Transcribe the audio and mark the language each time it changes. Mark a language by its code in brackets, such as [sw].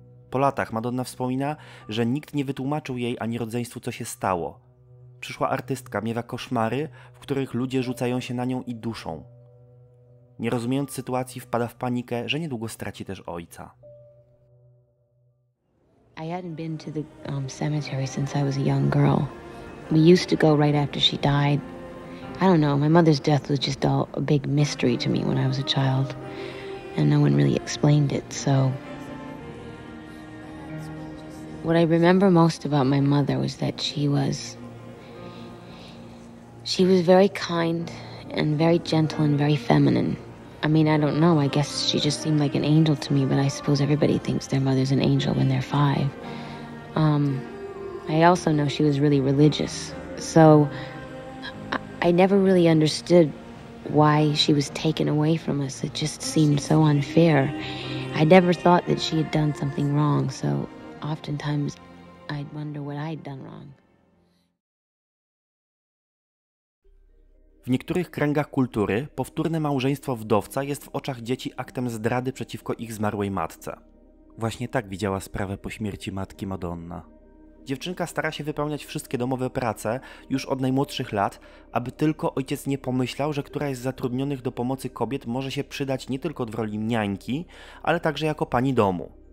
[pl] Po latach Madonna wspomina, że nikt nie wytłumaczył jej ani rodzeństwu, co się stało. Przyszła artystka miewa koszmary, w których ludzie rzucają się na nią i duszą. Nie rozumiejąc sytuacji, wpada w panikę, że niedługo straci też ojca. [en] I hadn't been to the cemetery since I was a young girl. We used to go right after she died. I don't know, my mother's death was just all a big mystery to me when I was a child, and no one really explained it, so. What I remember most about my mother was that she was very kind and very gentle and very feminine. I mean, I don't know, I guess she just seemed like an angel to me, but I suppose everybody thinks their mother's an angel when they're 5. I also know she was really religious, so I never really understood why she was taken away from us. It just seemed so unfair. I never thought that she had done something wrong, so oftentimes I'd wonder what I'd done wrong. [pl] W niektórych kręgach kultury powtórne małżeństwo wdowca jest w oczach dzieci aktem zdrady przeciwko ich zmarłej matce. Właśnie tak widziała sprawę po śmierci matki Madonna. Dziewczynka stara się wypełniać wszystkie domowe prace już od najmłodszych lat, aby tylko ojciec nie pomyślał, że któraś z zatrudnionych do pomocy kobiet może się przydać nie tylko w roli niańki, ale także jako pani domu.